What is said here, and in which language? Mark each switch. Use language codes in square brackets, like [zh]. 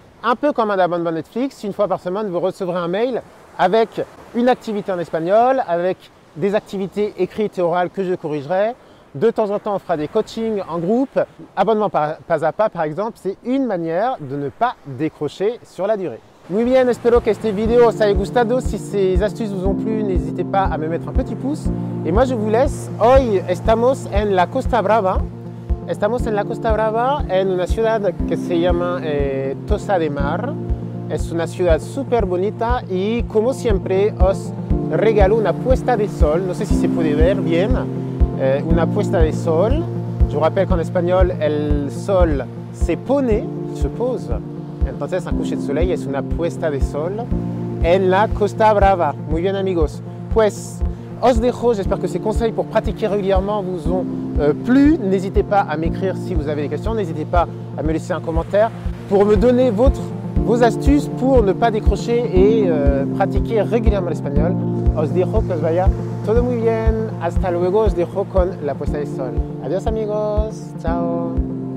[fr] Un peu comme un abonnement Netflix. Une fois par semaine, vous recevrez un mail avec une activité en espagnol, avec des activités écrites et orales que je corrigerai. De temps en temps, on fera des coachings en groupe. Abonnement pas à pas, par exemple, c'est une manière de ne pas décrocher sur la durée. [es] Muy bien, espero que esta video os haya gustado. [fr] Si ces astuces vous ont plu, n'hésitez pas à me mettre un petit pouce. Et moi, je vous laisse. [es] Hoy estamos en la Costa Brava. Estamos en la Costa Brava, en una ciudad que se llama Tossa de Mar. Es una ciudad super bonita y, como siempre, os regalo una puesta de sol. No sé si se puede ver bien. Una puesta de sol. [fr] Je vous rappelle qu'en espagnol, [es] el sol se pone, se pose. Entonces, [fr] un coucher de soleil [es] es una puesta de sol en la Costa Brava. Muy bien, amigos. Pues, os dejo. [fr] J'espère que ces conseils pour pratiquer régulièrement vous ont plu. N'hésitez pas à m'écrire si vous avez des questions. N'hésitez pas à me laisser un commentaire pour me donner vos astuces pour ne pas décrocher et pratiquer régulièrement l'espagnol. [es] Os dejo que os vaya todo muy bien. Hasta luego, os dejo con la puesta de sol. Adiós amigos, ciao.